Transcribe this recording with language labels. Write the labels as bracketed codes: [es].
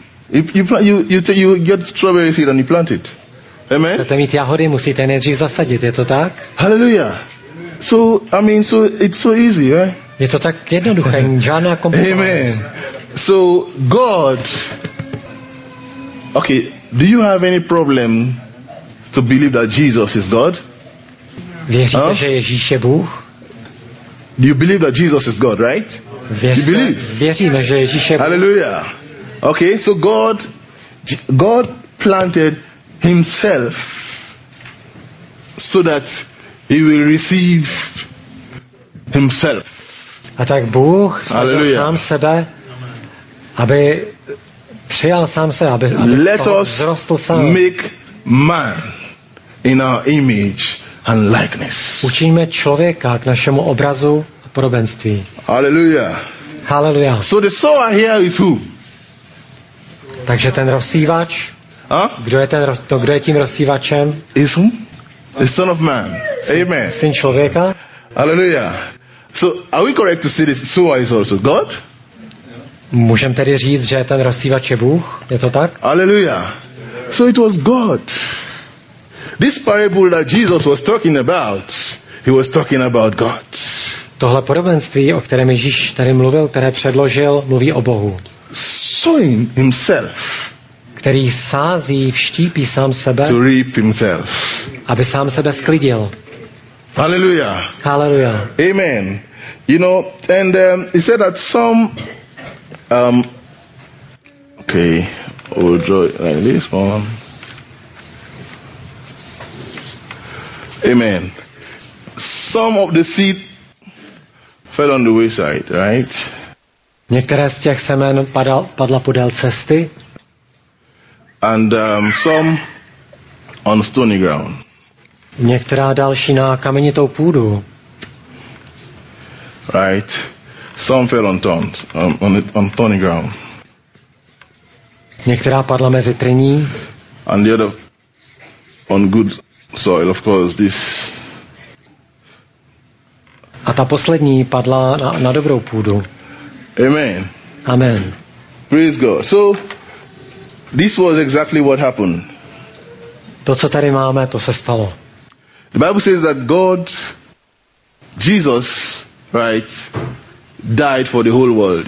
[en] If you get strawberry seed and you plant it. Amen. [cs] Chcete mít jahody, musíte nejdřív zasadit, je to tak? Hallelujah. [en] So I mean, so it's so easy, right? [cs] Je to tak jednoduché, žádná komplikace. [en] Amen. So God. Okay, do you have any problem to believe that Jesus is God? [cs] Věříte, že Ježíš je Bůh? [en] Do you believe that Jesus is God, right? You believe? [cs] Věříme, že Ježíš je Bůh. Hallelujah. [en] Okay, so God planted himself so that he will receive himself. [cs] A tak Bůh sadil sám sebe, aby přijal sám sebe, aby [en] let [cs] toho vzrostl sám. [en] Let us make man in our image and likeness. [cs] Učiníme člověka k našemu obrazu a podobenství. Hallelujah. Hallelujah. [en] So the sower here is who? [cs] Takže ten rozsívač, kdo je tím rozsívačem? [en] Is who? The son of man. Amen. [cs] Syn člověka. Hallelujah. [en] So are we correct to say this sower is also God? [cs] Můžeme tedy říct, že ten rozsívač je Bůh? Je to tak? [en] Hallelujah. So it was God. This parable that Jesus was talking about, he was talking about God. [cs] Tohle podobenství, o kterém Ježíš tady mluvil, které předložil, mluví o Bohu. [en] Sowing himself. [cs] Který sází, vštípí sám sebe. [en] To reap himself. [cs] Aby sám sebe sklidil. Hallelujah. Hallelujah. Amen. [en] You know, and he said that some okay, we'll draw it like this one. Amen. Some of the seed fell on the wayside, right? [cs] Některé z těch semen padla podél cesty. [en] And some on stony ground. [cs] Některá další na kamenitou půdu. [en] Right. Some fell on thorny ground. [cs] Některá padla mezi trní. [en] And the other on good soil, of course, this. [cs] ta poslední padla na dobrou půdu. Amen. Amen. Praise God. [en] So this was exactly what happened. [cs] To, co tady máme, to se stalo. [en] The Bible says that God, Jesus, right, died for the whole world.